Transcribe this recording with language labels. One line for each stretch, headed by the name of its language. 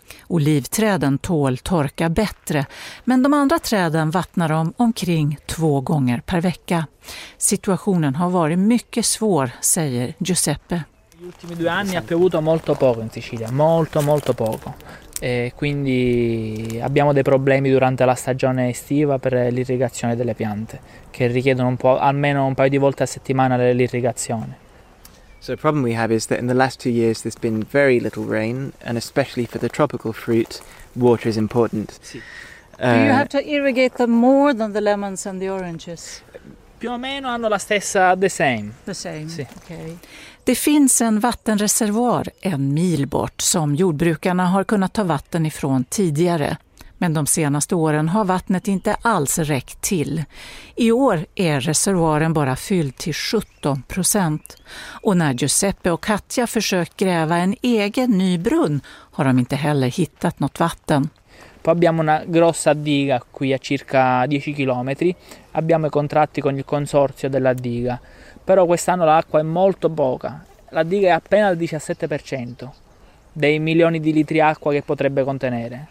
Swedish: Olivträden tål torka bättre, men de andra träden vattnar de omkring 2 gånger per vecka. Situationen har varit mycket svår, säger Giuseppe.
Italian: Gli ultimi 2 anni ha piovuto molto poco in Sicilia, molto molto poco. E quindi abbiamo dei problemi durante la stagione estiva per l'irrigazione delle piante, che richiedono un po' almeno un paio di volte a settimana l'irrigazione.
English: So the problem we have is that in the last 2 years there's been very little rain, and especially for the tropical fruit, water is important. Do you have to irrigate them more than the lemons and the oranges?
Italian: Più o meno hanno la stessa,
English: the same. The same, sì. Okay.
Swedish: Det finns en vattenreservoar en mil bort som jordbrukarna har kunnat ta vatten ifrån tidigare. Men de senaste åren har vattnet inte alls räckt till. I år är reservoaren bara fylld till 17%. Och när Giuseppe och Katja försökt gräva en egen ny brunn har de inte heller hittat något vatten.
Italian: Poi abbiamo una grossa diga qui a circa 10 km. Abbiamo i contratti con il consorzio della diga. Però quest'anno l'acqua è molto poca. La diga è appena al 17%. dei milioni di litri acqua che potrebbe contenere.